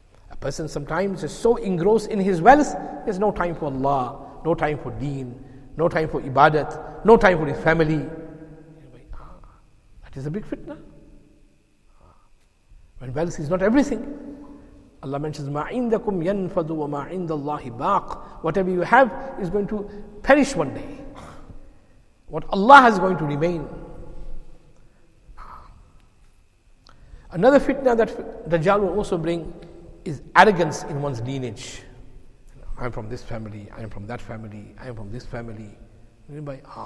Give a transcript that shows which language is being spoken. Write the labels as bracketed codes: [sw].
[en] A person sometimes is so engrossed in his wealth, there's no time for Allah, no time for deen, no time for ibadat, no time for his family. That is a big fitna. When wealth is not everything. Allah mentions, [ar] مَا عِنْدَكُمْ يَنْفَذُ وَمَا عِنْدَ اللَّهِ بَاقٍ. [en] Whatever you have is going to perish one day. What Allah has is going to remain. Another fitna that Dajjal will also bring is arrogance in one's lineage. I am from this family, I am from that family, I am from this family. Anybody?